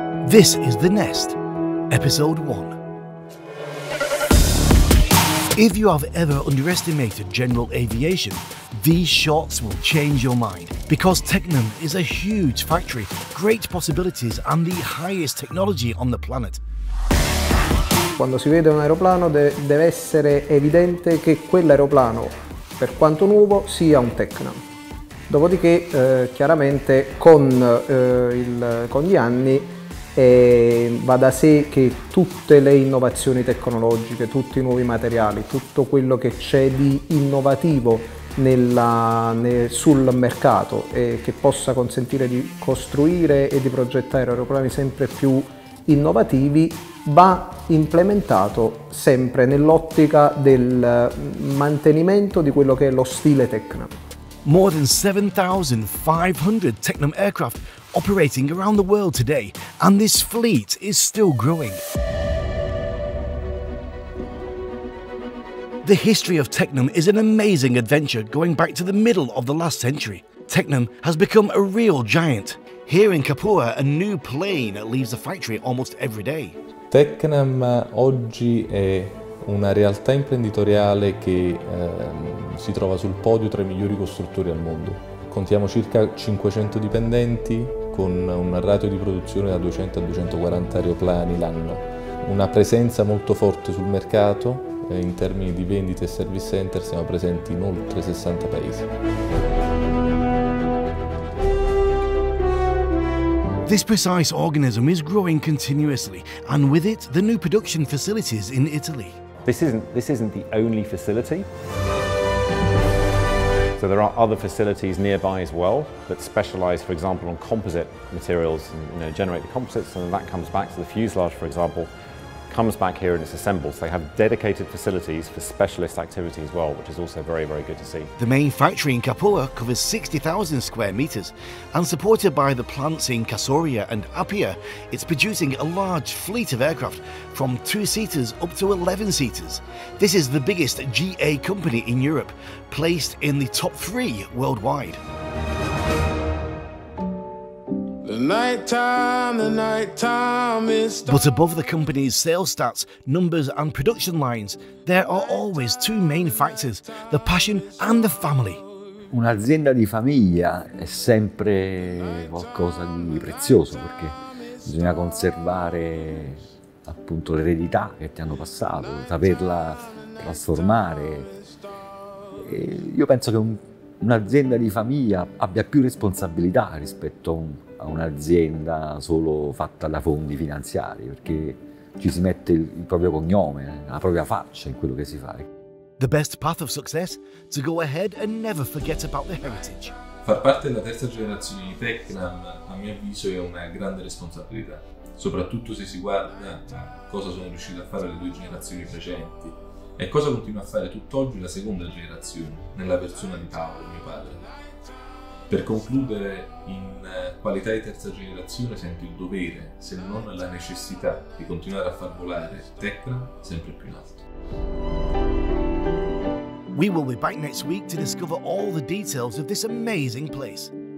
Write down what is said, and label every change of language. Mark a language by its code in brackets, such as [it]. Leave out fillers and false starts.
[en] This is The Nest, episode 1. If you have ever underestimated general aviation, these shots will change your mind, because Tecnam is a huge factory, great possibilities and the highest technology on the planet. [it] Quando si vede un aeroplano deve essere evidente che quell'aeroplano, per quanto nuovo, sia un Tecnam. Dopodiché, chiaramente, con gli anni va da sé che tutte le innovazioni tecnologiche, tutti i nuovi materiali, tutto quello che c'è di innovativo sul mercato e che possa consentire di costruire e di progettare aeroplani sempre più innovativi va implementato sempre nell'ottica del mantenimento di quello che è lo stile Tecnam. [en] More than 7,500 Tecnam aircraft operating around the world today, and this fleet is still growing. The history of Tecnam is an amazing adventure going back to the middle of the last century. Tecnam has become a real giant. Here in Capua, a new plane leaves the factory almost every day. [it] Tecnam oggi è una realtà imprenditoriale che si trova sul podio tra i migliori costruttori al mondo. Contiamo circa 500 dipendenti con un ratio di produzione da 200 a 240 aeroplani l'anno. Una presenza molto forte sul mercato. In termini di vendite e service center siamo presenti in oltre 60 paesi. [en] This precise organism is growing continuously, and with it the new production facilities in Italy. This isn't the only facility. So there are other facilities nearby as well that specialise, for example, on composite materials and, you know, generate the composites, and then that comes back. So the fuselage, for example, comes back here and it's assembled. So they have dedicated facilities for specialist activity as well, which is also very, very good to see. The main factory in Capua covers 60,000 square metres, and supported by the plants in Kasoria and Apia, it's producing a large fleet of aircraft from 2-seaters up to 11-seaters. This is the biggest GA company in Europe, placed in the top 3 worldwide. The nighttime is... But above the company's sales stats, numbers and production lines, there are always two main factors, the passion and the family. [it] Un'azienda di famiglia è sempre qualcosa di prezioso, perché bisogna conservare appunto l'eredità che ti hanno passato, saperla trasformare. E io penso che un'azienda di famiglia abbia più responsabilità rispetto a un'azienda solo fatta da fondi finanziari, perché ci si mette il proprio cognome, la propria faccia in quello che si fa. [en] The best path of success? To go ahead and never forget about the heritage. [it] Far parte della terza generazione di Tecnam, a mio avviso, è una grande responsabilità, soprattutto se si guarda cosa sono riuscite a fare le due generazioni precedenti e cosa continua a fare tutt'oggi la seconda generazione, nella persona di Paolo, mio padre. Per concludere, in qualità di terza generazione sento il dovere, se non la necessità, di continuare a far volare Tecnam sempre più in alto. [en] We will be back next week to discover all the details of this amazing place.